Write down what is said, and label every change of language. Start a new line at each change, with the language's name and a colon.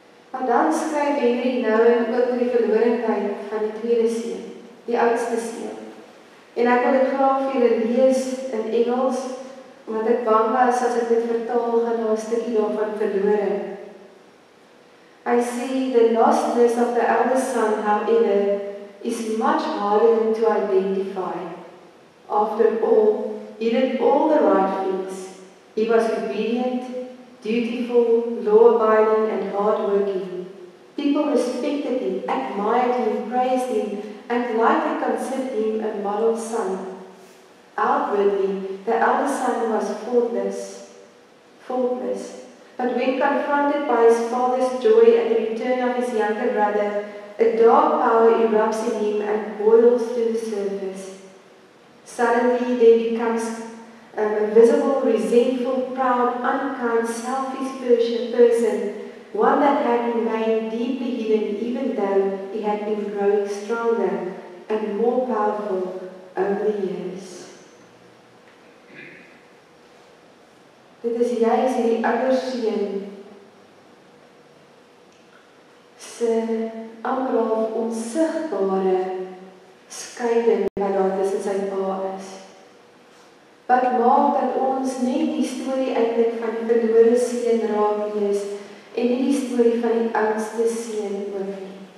Afrikaans: Maar dan skryf Henry nou ook oor die verlorenheid van die tweede seun, die oudste seun. En ek wil dit graag vir julle lees in Engels, omdat ek bang was as ek dit vertaal gaan na 'n stukkie daarvan verlore.
English: I see the lostness of the eldest son, however, is much harder to identify. After all, he did all the right things. He was obedient, dutiful, law-abiding, and hard-working. People respected him, admired him, praised him, and likely considered him a model son. Outwardly, the eldest son was faultless. But when confronted by his father's joy at the return of his younger brother, a dark power erupts in him and boils to the surface. Suddenly there becomes a visible, resentful, proud, unkind, selfish person, one that had remained deeply hidden even though he had been growing stronger and more powerful over the years.
Afrikaans: Dit is juist hierdie ouder seun se amper half onsigbare skeiding wat daar tussen sy pa is. Wat maak dat ons net die storie eintlik van die verlore seun raak lees en nie die storie van die oudste seun ook nie.